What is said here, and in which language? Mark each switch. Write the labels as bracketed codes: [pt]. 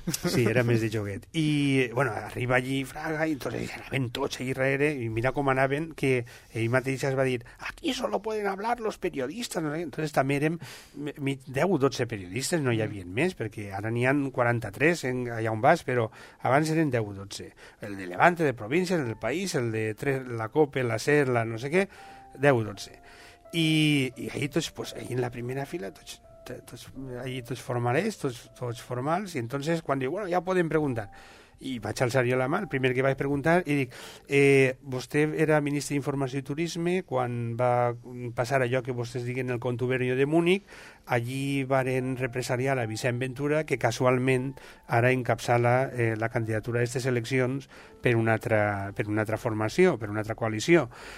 [ca] Sí, era més de joguet. I, bueno, arriba allí Fraga i entonces anaven tots allí darrere i mira com anaven, que ell mateix es va dir [es] aquí solo pueden hablar los periodistas. [ca] Entonces també érem 10 o 12 periodistes, no hi havia més, perquè ara n'hi ha 43 en, allà on vas, però abans eren 10 o 12. El de Levante, de Provincias, el del País, el de la COPE, la SER, la no sé què, 10 o 12. I ahí, tots, pues, ahí en la primera fila, tots... allí tots formals, tots formals, i entonces quan diu, bueno, ja podem preguntar, i vaig alçar jo la mà, el primer que vaig preguntar, i dic, vostè era ministre d'Informació i Turisme quan va passar allò que vostès diguen el contubernio de Múnich, allí varen represaliar a Vicent Ventura, que casualment ara encapçala la candidatura a aquestes eleccions per una altra formació, per una altra coalició.